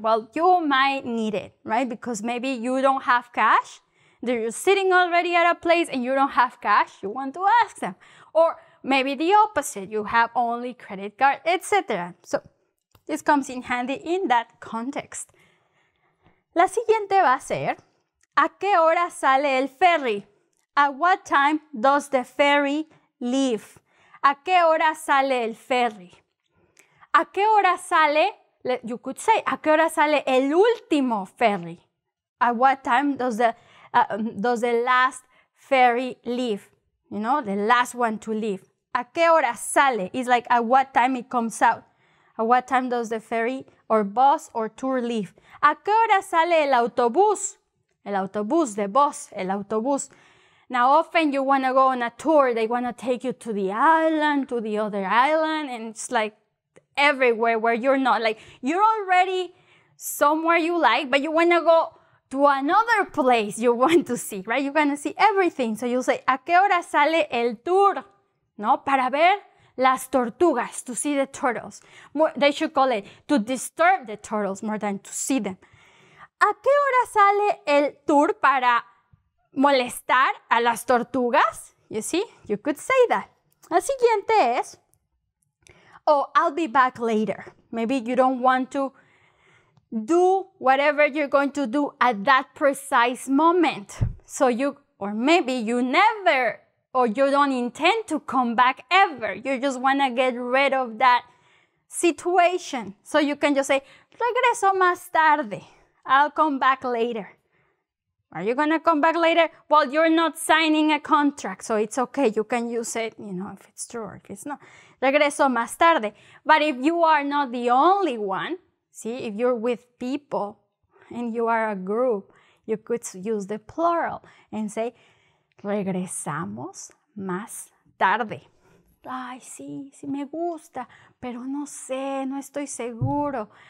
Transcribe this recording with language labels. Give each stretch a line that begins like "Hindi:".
English: Well, you might need it, right? Because maybe you don't have cash. They're sitting already at a place and you don't have cash. You want to ask them. Or maybe the opposite, you have only credit card, etc. So, this comes in handy in that context.
Spanish: La siguiente va a ser, ¿a qué hora sale el ferry?
English: At what time does the ferry leave?
Spanish: ¿A qué hora sale el ferry? ¿A qué hora sale,
English: you could say,
Spanish: ¿a qué hora sale el último ferry?
English: At what time does the last ferry leave? You know, the last one to leave.
Spanish: ¿A qué hora sale?
English: It's like, at what time it comes out. At what time does the ferry or bus or tour leave?
Spanish: ¿A qué hora sale el autobús? El autobús,
English: the bus,
Spanish: el autobús.
English: Now, often you want to go on a tour. They want to take you to the island, to the other island. And it's like everywhere where you're not. Like, you're already somewhere you like, but you want to go to another place you want to see, right? You're going to see everything. So you'll say,
Spanish: ¿a qué hora sale el tour? No, para ver las tortugas,
English: to see the turtles. They should call it to disturb the turtles more than to see them.
Spanish: ¿A qué hora sale el tour para molestar a las tortugas?
English: You see, you could say that.
Spanish: La siguiente es,
English: oh, I'll be back later. Maybe you don't want to do whatever you're going to do at that precise moment. So you, or maybe you never, or you don't intend to come back ever. You just want to get rid of that situation. So you can just say,
Spanish: regreso más tarde.
English: I'll come back later. Are you going to come back later? Well, you're not signing a contract, so it's okay. You can use it, you know, if it's true or if it's not.
Spanish: Regreso más tarde.
English: But if you are not the only one, see, if you're with people and you are a group, you could use the plural and say,
Spanish: regresamos más tarde. Ay, sí, sí me gusta, pero no sé, no estoy seguro.